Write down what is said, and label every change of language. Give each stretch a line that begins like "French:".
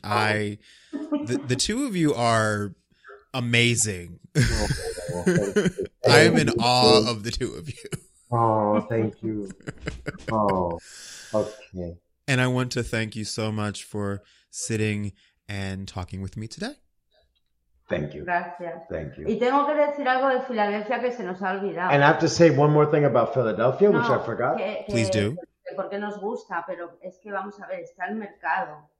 English: The two of you are amazing. I am in awe of the two of you. Oh, thank you. Oh, okay. And I want to thank you so much for sitting and talking with me today. Thank you.
Spanish: Gracias.
English: Thank you.
Spanish: Y tengo que decir algo de Filadelfia que se nos ha olvidado.
English: And I have to say one more thing about Philadelphia, which I forgot. Please do.
Spanish: Porque nos gusta, pero es que vamos a ver, está el mercado.